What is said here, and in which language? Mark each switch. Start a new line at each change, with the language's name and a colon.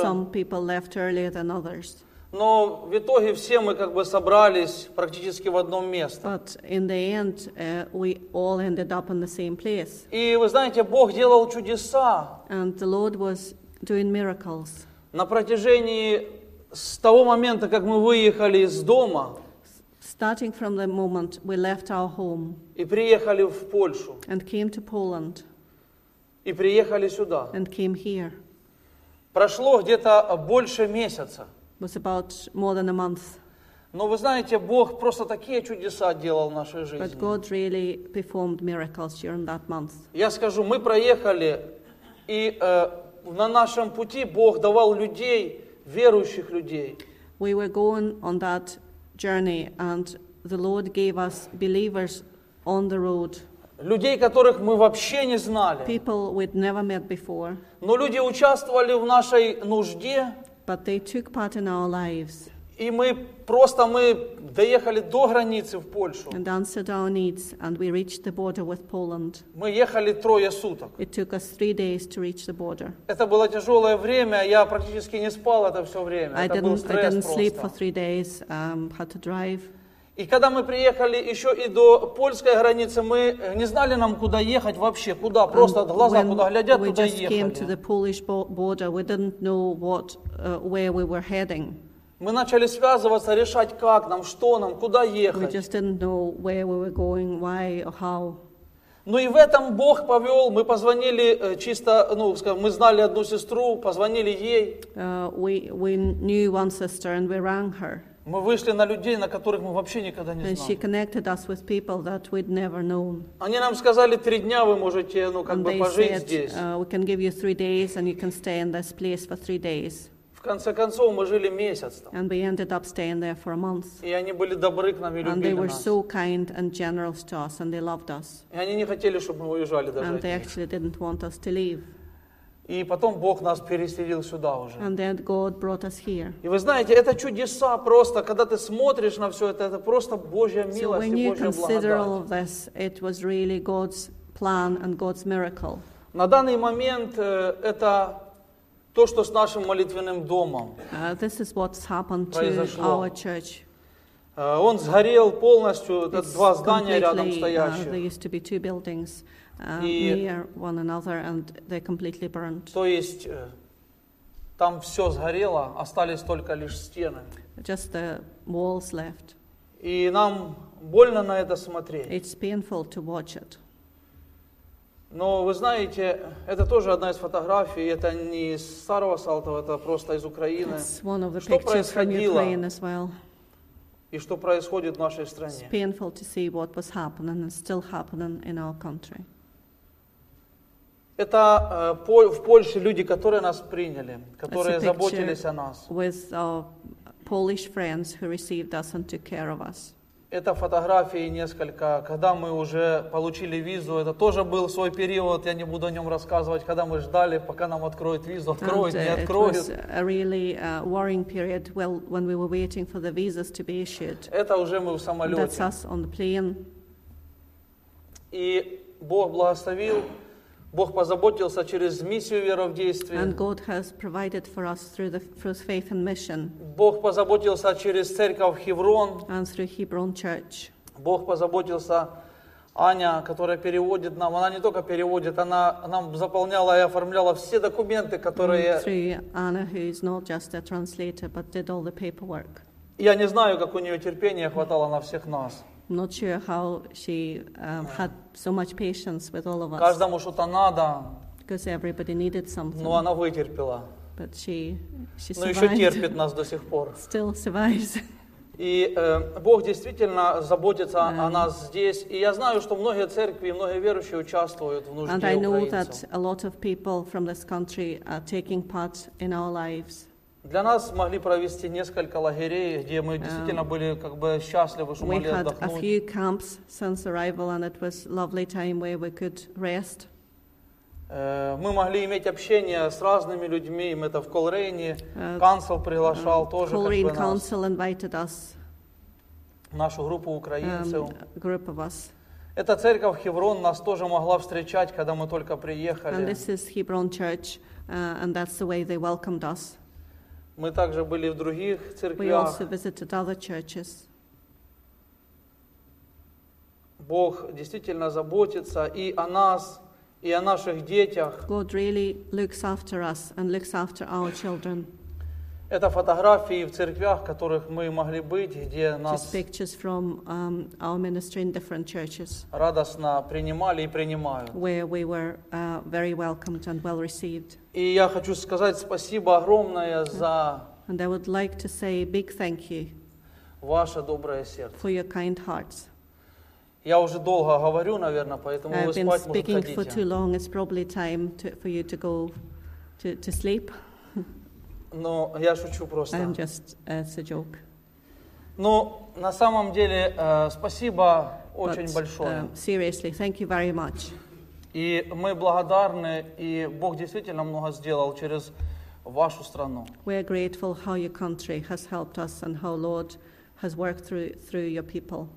English: Some people left earlier than others.
Russian: Но в итоге все мы как бы собрались практически в одном месте.
English: But in the end, we all ended up in the same place.
Russian: И вы знаете, Бог делал чудеса.
English: And the Lord was doing miracles.
Russian: На протяжении с того момента, как мы выехали из дома.
English: Starting from the moment we left our home.
Russian: И приехали в Польшу.
English: And came to Poland.
Russian: И приехали сюда.
English: And came here.
Russian: Прошло где-то больше месяца.
English: Was about more than a month.
Russian: Но вы знаете, Бог просто такие чудеса делал в нашей жизни.
English: But God really performed miracles during that month.
Russian: Я скажу, мы проехали, и на нашем пути Бог давал людей, верующих людей.
English: We were going on that journey, and the Lord gave us believers on the road.
Russian: Людей, которых мы вообще не знали.
English: People we'd never met before.
Russian: Но люди участвовали в нашей нужде.
English: But they took part in our lives.
Russian: И мы просто мы доехали до границы в Польшу.
English: And answered our needs, and we reached the border with Poland.
Russian: Мы ехали трое суток.
English: It took us 3 days to reach the border.
Russian: Это было тяжелое время. Я практически не спал это все время.
English: I didn't,
Russian: это был стресс
English: I didn't sleep
Russian: просто.
English: For 3 days. Had to drive.
Russian: И когда мы приехали еще и до польской границы, мы не знали нам, куда ехать вообще, куда, просто
English: and
Russian: глаза куда глядят, туда ехали.
English: We just came to the Polish border, we didn't know what, where we were heading.
Russian: Мы начали связываться, решать, как нам, что нам, куда ехать.
English: We just didn't know where we were going, why or how.
Russian: Ну и в этом Бог повел, мы позвонили чисто, ну, скажем, мы знали одну сестру, позвонили ей.
English: We knew one sister and we rang her.
Russian: Мы вышли на людей, на которых мы вообще никогда не знали.
English: And she connected us with people that we'd never known.
Russian: Они нам сказали, 3 дня вы можете, ну, как
English: and
Russian: бы, пожить
English: said,
Russian: здесь.
English: We can give you 3 days and you can stay in this place for 3 days.
Russian: В конце концов, мы жили месяц там.
English: And we ended up staying there for a month.
Russian: И они были добры к нам и любили нас.
English: And they were so kind and generous to us and they loved us.
Russian: И они не хотели, чтобы мы уезжали даже.
English: And they actually didn't want us to leave.
Russian: И потом Бог нас переселил сюда уже.
English: And then God brought us here.
Russian: И вы знаете, это чудеса просто, когда ты смотришь на все это просто Божья милость и Божья благодать.
English: So when you consider all of this, it was really God's plan and God's miracle.
Russian: На данный момент это то, что с нашим молитвенным домом
English: this is what's happened
Russian: произошло.
English: To our church.
Russian: Он сгорел полностью, этот два здания рядом стоящие.
English: There used to be two buildings. Near one another, and they're completely burnt.
Russian: То есть там все сгорело, остались только лишь стены.
English: Just the walls left.
Russian: И нам больно на это смотреть.
English: It's painful to watch it.
Russian: Но вы знаете, это тоже одна из фотографий. Это не из старого Салтова, это просто из Украины.
English: It's one of the pictures from Ukraine as well.
Russian: И что происходит в нашей стране?
English: It's painful to see what was happening and still happening in our country.
Russian: Это в Польше люди, которые нас приняли, которые заботились о нас.
English: With our Polish friends who received us and took care of us.
Russian: Это фотографии несколько, когда мы уже получили визу. Это тоже был свой период, я не буду о нем рассказывать, когда мы ждали, пока нам откроют визу. Откроют, не откроют.
English: It was a really worrying period when we were waiting for the visas to be issued.
Russian: Это уже мы в самолете.
English: That's us on the plane.
Russian: И Бог благословил. Бог позаботился через миссию вера в действии.
English: And God has provided for us through faith and mission.
Russian: Бог позаботился через церковь Хеврон.
English: And through Hebron Church.
Russian: Бог позаботился Аня, которая переводит нам. Она не только переводит, она нам заполняла и оформляла все документы, которые.
English: And through Anna, who is not just a translator, but did all the paperwork.
Russian: Я не знаю, как у нее терпения хватало на всех нас.
English: I'm not sure how she had so much patience with all of us.
Russian: Каждому что-то надо.
English: Because everybody needed something.
Russian: Но она вытерпела.
English: But she survived.
Russian: Но еще терпит нас до сих пор.
English: Still survives.
Russian: И Бог действительно заботится о нас здесь. И я знаю, что многие церкви, многие верующие участвуют в нужде
English: And I know
Russian: украинцев.
English: That a lot of people from this country are taking part in our lives.
Russian: Для нас могли провести несколько лагерей, где мы действительно были как бы счастливы, что могли отдохнуть.
English: We had a few camps since arrival, and it was lovely time where we could rest.
Russian: Мы могли иметь общение с разными людьми, мы это в Колрейне, Council приглашал тоже как бы нас.
English: Colrain Council invited us.
Russian: нашу группу украинцев.
English: Group of us.
Russian: Эта церковь Хеврон нас тоже могла встречать, когда мы только приехали.
English: And this is Hebron Church, and that's the way they welcomed us.
Russian: Мы также были в других церквях.
English: We also visited other churches.
Russian: Бог действительно заботится и о нас, и о наших детях.
English: God really looks after us and looks after our children.
Russian: Это фотографии в церквях, в которых мы могли быть, где нас
English: just pictures from, our ministry in different churches.
Russian: Радостно принимали и принимают.
English: Where we were, very welcomed and well received.
Russian: И я хочу сказать спасибо огромное за
English: and I would like to say a big thank you
Russian: ваше доброе сердце.
English: For your kind hearts.
Russian: Я уже долго говорю, наверное, поэтому
English: I've
Russian: вы спать можете ходить.
English: For too long. It's probably time to, for you to go to sleep.
Russian: Но я шучу просто.
English: I'm just, it's a joke.
Russian: Но на самом деле, спасибо очень большое.
English: Seriously, thank you very much.
Russian: И мы благодарны, и Бог действительно много сделал через вашу страну.
English: We're grateful how your country has helped us and how Lord has worked through your people.